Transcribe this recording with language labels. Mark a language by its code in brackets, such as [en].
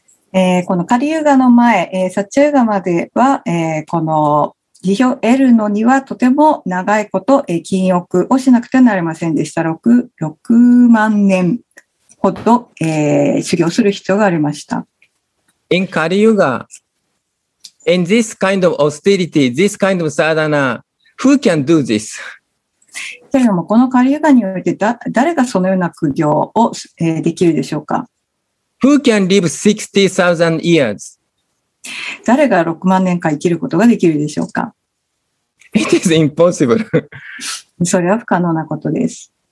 [ja] このカリユガの前、サッチャユガまでは、この辞表を得るのにはとても長いこと、禁欲をしなくてはなりませんでした。 6万年ほど、修行する必要がありました。 [en] In Kali Yuga, in this kind of austerity, this kind of sadhana, who can do this? [ja] けれども、このカリユガにおいて誰がそのような苦行を、できるでしょうか [en] ?Who can live 60,000 years? [ja] 誰が6万年間生きることができるでしょうか [en] ?It is impossible. [ja] それは不可能なことです。